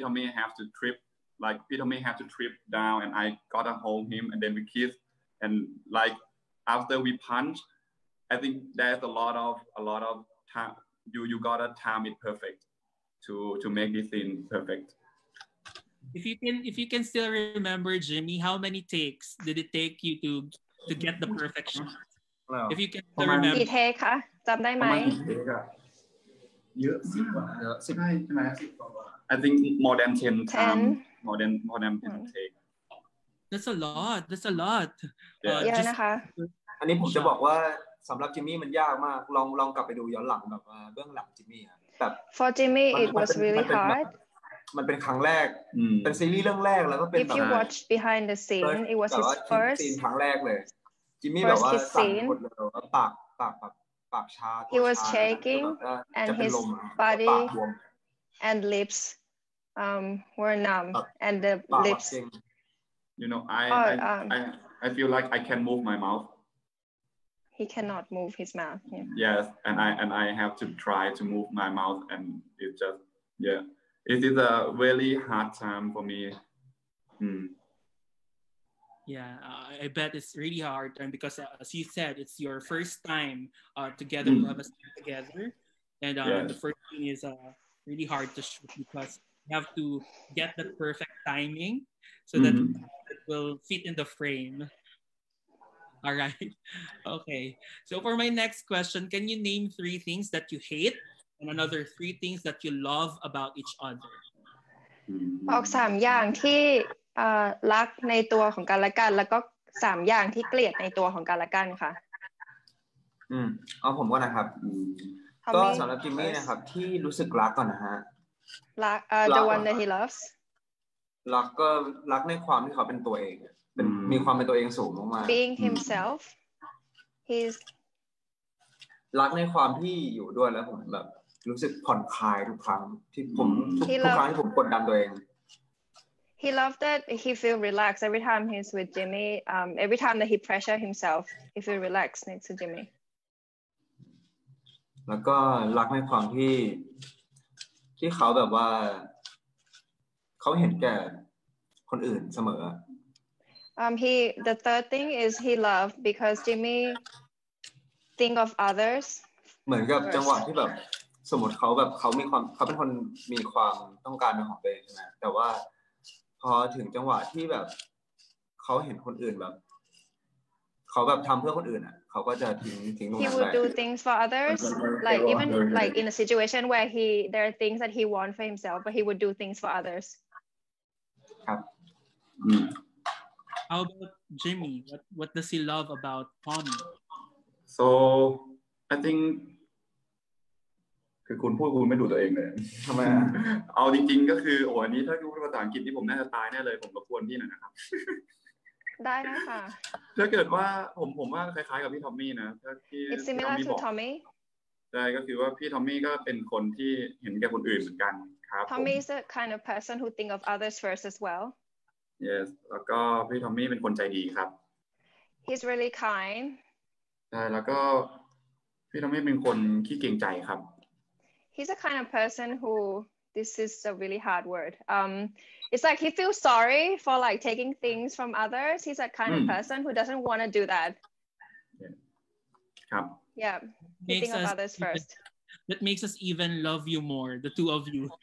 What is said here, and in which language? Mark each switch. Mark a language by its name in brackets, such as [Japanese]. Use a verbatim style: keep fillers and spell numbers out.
[English] Tommy have to trip like P. Tommy have to trip down and I gotta hold him and then we kiss and like after we punch I think there's a lot of a lot of time you you gotta time it perfect to to make this scene perfect. If you can if you can still remember, Jimmy, how many takes did it take you to to get the perfection? Wow. If you can still remember. [Thai] กี่เทคคะจำได้ไหม เยอะสิบกว่าแล้วใช่ไหมสิบกว่า [English] I think more than ten times more than more than ten take. That's a lot. That's a lot. [Thai] เยอะนะคะ อันนี้ผมจะบอกว่าสำหรับจิมมี่มันยากมากลองลองกลับไปดูย้อนหลังแบบว่าเบื้องหลังจิมมี่อ่ะแบบ [English] For Jimmy it was really hard [Thai] มันเป็นครั้งแรกเป็นซีรีส์เรื่องแรกแล้วก็เป็น [English] If you watch behind the scene it was his first [Thai] ครั้งแรกเลยจิมมี่แบบว่าสั่นหมดเลยปากปากแบบปากชา [English] He was shaking and his body and lips um were numb and the lips you know I I I feel like I can move my mouth He cannot move his mouth. Yeah. Yes, and I and I have to try to move my mouth, and it just yeah, it is a really hard time for me. Mm. Yeah, uh, I bet it's really hard time because, uh, as you said, it's your first time uh, together, mm. to have a scene together, and uh, yes. the first thing is uh, really hard to shoot because you have to get the perfect timing so mm. that it will fit in the frame. All right. Okay. So for my next question, can you name three things that you hate and another three things that you love about each other? [Thai] บอกสามอย่างที่รักในตัวของกันและกันแล้วก็สามอย่างที่เกลียดในตัวของกันและกันค่ะ อืมเอาผมก็นะครับก็สำหรับจิมมี่นะครับที่รู้สึกรักก่อนนะฮะ [English] รัก the one that he loves [Thai] รักก็รักในความที่เขาเป็นตัวเองเป็นมีความเป็นตัวเองสูงมากๆ [English] Being himself he's [Thai] รักในความที่อยู่ด้วยแล้วผมแบบรู้สึกผ่อนคลายทุกครั้งที่ผมทุกครั้งที่ผมกดดันตัวเอง [English] He loved that he feel relaxed every time he's with Jimmy um every time that he pressure himself he feel relaxed next to Jimmy [Thai] แล้วก็รักในความที่ที่เขาแบบว่าเขาเห็นแก่คนอื่นเสมอ [English] Um, he the third thing is he loved because Jimmy think of others [Thai] เหมือนกับจังหวะที่แบบสมมติเขาแบบเขามีความเขาเป็นคนมีความต้องการเป็นของตัวเองนะแต่ว่าพอถึงจังหวะที่แบบเขาเห็นคนอื่นแบบเขาแบบทำเพื่อคนอื่นอ่ะเขาก็จะทิ้งทิ้งลงไป [English] He would do things for others like even like in a situation where he there are things that he want for himself but he would do things for others [Thai] ครับ [English] How about Jimmy? What what does he love about Tommy? So I think [Thai] คือคุณพูดคุณไม่ดูตัวเองเลย ทำไม เอาจริงๆก็คือโอ้อันนี้ถ้าพูดภาษาอังกฤษนี่ผมน่าจะตายแน่เลยผมรบกวนพี่หน่อยนะครับ ได้นะคะ ถ้าเกิดว่าผมผมว่าคล้ายๆกับพี่ทอมมี่นะถ้าที่ [English] It's similar to Tommy [Thai] ใช่ก็คือว่าพี่ทอมมี่ก็เป็นคนที่เห็นแก่คนอื่นเหมือนกันครับ [English] Tommy is the kind of person who think of others first as well. [Thai] Yes แล้วก็พี่ทอมมี่เป็นคนใจดีครับ [English] He's really kind [Thai] ใช่แล้วก็พี่ทอมมี่เป็นคนขี้เกรงใจครับ [English] He's the kind of person who this is a really hard word um it's like he feels sorry for like taking things from others he's that kind of person who doesn't want to do that [Thai] ครับ [English] Yeah he think of others first that makes us even love you more the two of you